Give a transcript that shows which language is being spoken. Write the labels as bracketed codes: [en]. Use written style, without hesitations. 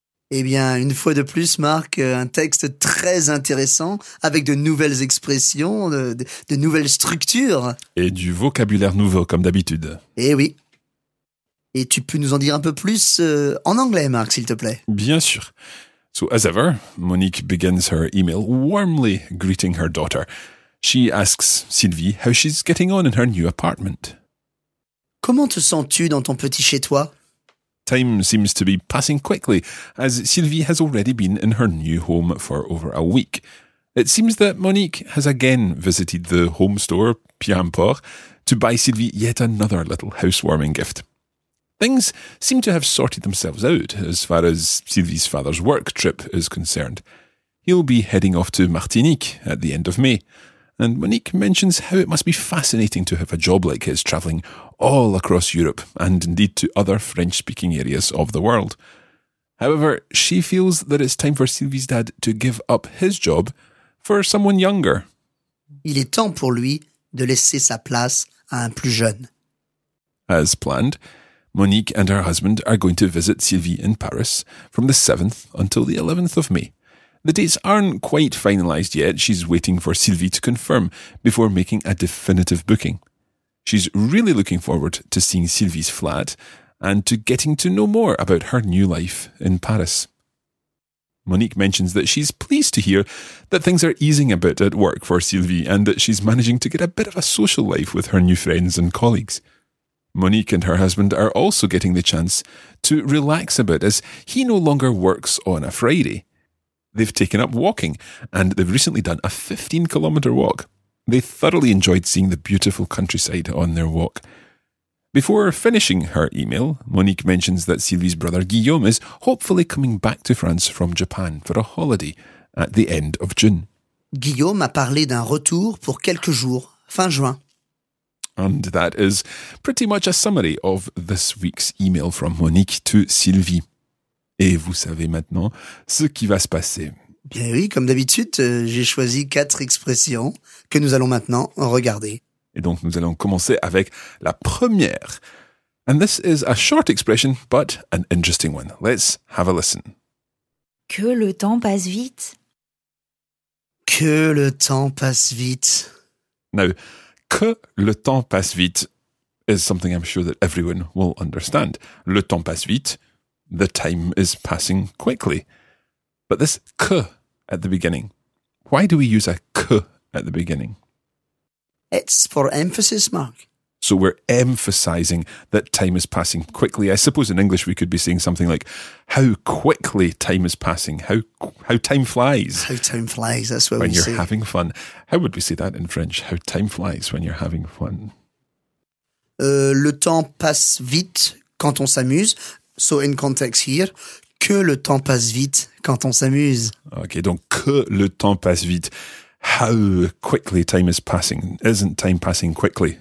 [fr] Eh bien, une fois de plus, Marc, un texte très intéressant, avec de nouvelles expressions, de nouvelles structures. Et du vocabulaire nouveau, comme d'habitude. Eh oui. Et tu peux nous en dire un peu plus en anglais, Marc, s'il te plaît. Bien sûr. [en] So, as ever, Monique begins her email warmly greeting her daughter. She asks Sylvie how she's getting on in her new apartment. [fr] Comment te sens-tu dans ton petit chez-toi? [en] Time seems to be passing quickly, as Sylvie has already been in her new home for over a week. It seems that Monique has again visited the home store, Pierre Port, to buy Sylvie yet another little housewarming gift. Things seem to have sorted themselves out as far as Sylvie's father's work trip is concerned. He'll be heading off to Martinique at the end of May, and Monique mentions how it must be fascinating to have a job like his travelling all across Europe and indeed to other French-speaking areas of the world. However, she feels that it's time for Sylvie's dad to give up his job for someone younger. [fr] Il est temps pour lui de laisser sa place à un plus jeune. [en] As planned, Monique and her husband are going to visit Sylvie in Paris from the 7th until the 11th of May. The dates aren't quite finalised yet. She's waiting for Sylvie to confirm before making a definitive booking. She's really looking forward to seeing Sylvie's flat and to getting to know more about her new life in Paris. Monique mentions that she's pleased to hear that things are easing a bit at work for Sylvie and that she's managing to get a bit of a social life with her new friends and colleagues. Monique and her husband are also getting the chance to relax a bit as he no longer works on a Friday. They've taken up walking and they've recently done a 15-kilometre walk. They thoroughly enjoyed seeing the beautiful countryside on their walk. Before finishing her email, Monique mentions that Sylvie's brother Guillaume is hopefully coming back to France from Japan for a holiday at the end of June. [fr] Guillaume a parlé d'un retour pour quelques jours, fin juin. [en] And that is pretty much a summary of this week's email from Monique to Sylvie. [fr] Et vous savez maintenant ce qui va se passer. Bien oui, comme d'habitude, j'ai choisi quatre expressions que nous allons maintenant regarder. Et donc, nous allons commencer avec la première. [en] And this is a short expression, but an interesting one. Let's have a listen. [fr] Que le temps passe vite. Que le temps passe vite. [en] Now, [fr] que le temps passe vite [en] is something I'm sure that everyone will understand. [fr] Le temps passe vite. [en] The time is passing quickly. But this que at the beginning, why do we use a que at the beginning? It's for emphasis, Mark. So we're emphasising that time is passing quickly. I suppose in English we could be saying something like, how quickly time is passing, how time flies. How time flies, that's what when we you're say. Having fun. How would we say that in French? How time flies when you're having fun. [fr] Le temps passe vite quand on s'amuse. [en] So in context here, [fr] que le temps passe vite quand on s'amuse. Okay, donc que le temps passe vite. [en] How quickly time is passing. Isn't time passing quickly?